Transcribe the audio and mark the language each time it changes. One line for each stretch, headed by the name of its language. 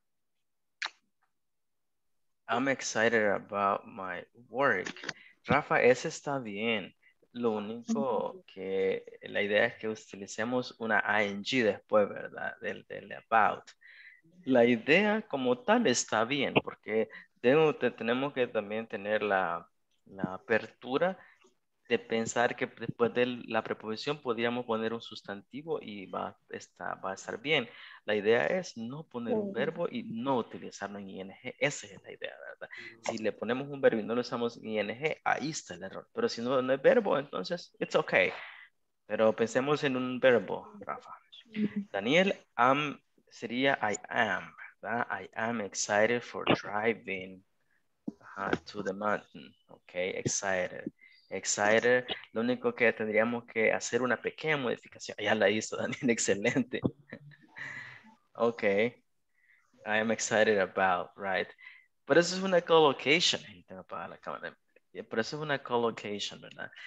Spanish: Vamos a ver.
English: I'm excited about my work.
Spanish: Rafa, ese está bien. Lo único que la idea es que utilicemos una ing después, ¿verdad? Del about. La idea como tal está bien, porque tenemos que también tener la apertura de pensar que después de la preposición podríamos poner un sustantivo y va a estar bien. La idea es no poner un verbo y no utilizarlo en ing. Esa es la idea, ¿verdad? Si le ponemos un verbo y no lo usamos en ing, ahí está el error. Pero si no es verbo, entonces
English: it's okay.
Spanish: Pero pensemos en un verbo, Rafa. Daniel, sería
English: I am,
Spanish: ¿verdad?
English: I am excited for driving to the mountain. Okay, excited.
Spanish: Lo único que tendríamos que hacer una pequeña modificación. Ya la hizo Daniel, excelente.
English: Okay, I am excited about, right?
Spanish: Pero eso es una collocation. Tengo apagar la cámara. Pero eso es una collocation, ¿verdad?